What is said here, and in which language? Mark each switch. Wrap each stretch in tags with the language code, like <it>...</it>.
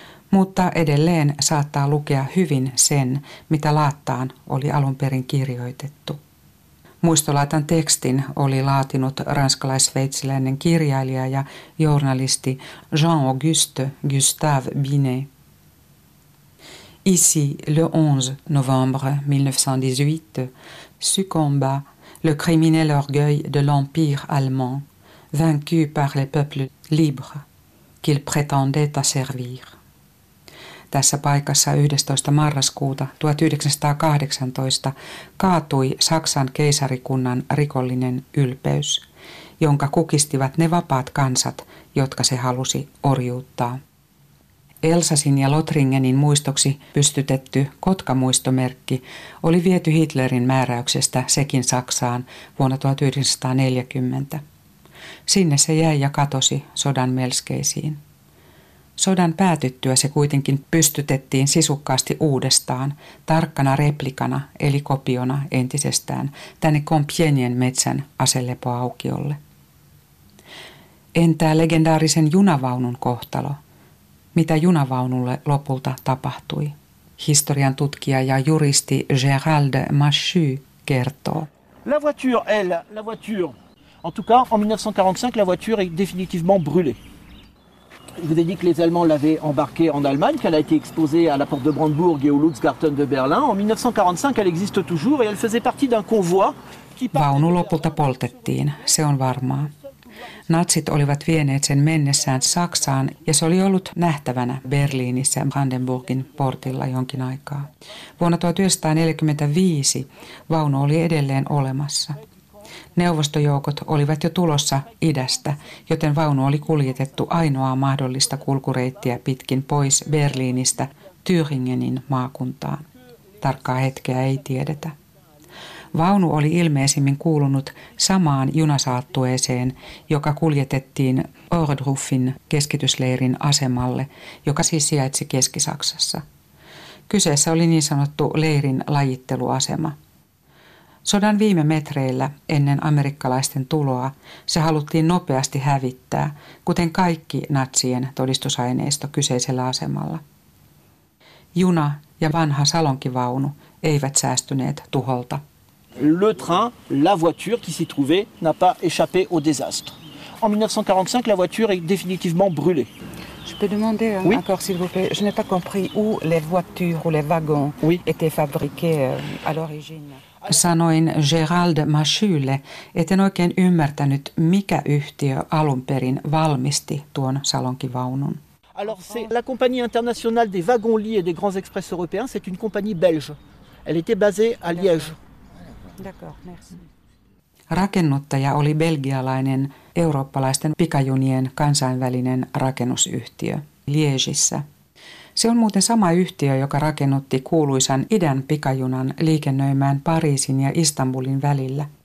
<fi>Mutta edelleen saattaa lukea hyvin sen, mitä laattaan oli alun perin kirjoitettu. Muistolaatan tekstin oli laatinut ranskalais-sveitsiläinen kirjailija ja journalisti Jean-Auguste Gustave Binet.</fi> <fr>Ici, le 11 novembre 1918, succomba le criminel orgueil de l'Empire allemand, vaincu par les peuples libres qu'il prétendait à servir.</fr> <fi>Tässä paikassa 11. marraskuuta 1918 kaatui Saksan keisarikunnan rikollinen ylpeys, jonka kukistivat ne vapaat kansat, jotka se halusi orjuuttaa. Elsasin ja Lothringenin muistoksi pystytetty Kotka-muistomerkki oli viety Hitlerin määräyksestä sekin Saksaan vuonna 1940. Sinne se jäi ja katosi sodan melskeisiin. Sodan päätyttyä se kuitenkin pystytettiin sisukkaasti uudestaan, tarkkana replikana eli kopiona entisestään, tänne Compiègnen metsän aselepoaukiolle. Entä legendaarisen junavaunun kohtalo? Mitä junavaunulle lopulta tapahtui? Historian tutkija ja juristi Gérald Machu kertoo.</fi> <fr>La voiture, elle, la voiture. En tout cas, en 1945, la voiture est définitivement brûlée. Je vous ai dit que les Allemands l'avaient embarquée en Allemagne, qu'elle a été exposée à la porte de Brandebourg et au Lutzgarten de Berlin. En 1945, elle existe toujours et elle faisait partie d'un convoi qui partait.</fr> <fi>Vaunu lopulta poltettiin, se on varmaa. Natsit olivat vieneet sen mennessään Saksaan ja se oli ollut nähtävänä Berliinissä Brandenburgin portilla jonkin aikaa. Vuonna 1945 vaunu oli edelleen olemassa. Neuvostojoukot olivat jo tulossa idästä, joten vaunu oli kuljetettu ainoaa mahdollista kulkureittiä pitkin pois Berliinistä Thüringenin maakuntaan. Tarkkaa hetkeä ei tiedetä. Vaunu oli ilmeisimmin kuulunut samaan junasaattueeseen, joka kuljetettiin Ohrdruffin keskitysleirin asemalle, joka siis sijaitsi Keski-Saksassa. Kyseessä oli niin sanottu leirin lajitteluasema. Sodan viime metreillä ennen amerikkalaisten tuloa se haluttiin nopeasti hävittää, kuten kaikki natsien todistusaineisto kyseisellä asemalla. Juna ja vanha salonkivaunu eivät säästyneet tuholta.</fi> <fr>Le train, la voiture qui s'y trouvait n'a pas échappé au désastre. En 1945, la voiture est définitivement brûlée. Je peux demander oui? encore s'il vous plaît, je n'ai pas compris où les voitures ou les wagons oui? étaient fabriqués à l'origine.</fr> <fi>Sanoin Gérald Machulle, etten oikein ymmärtänyt, mikä yhtiö alun perin valmisti tuon salonkivaunun.</fi> <fr>Alors c'est la compagnie internationale des wagons lits et des grands express européens, c'est une compagnie belge. Elle était basée à Liège.</fr> <fi>Rakennuttaja oli belgialainen eurooppalaisten pikajunien kansainvälinen rakennusyhtiö Liegissä. Se on muuten sama yhtiö, joka rakennutti kuuluisan idän pikajunan liikennöimään Pariisin ja Istanbulin välillä.</fi>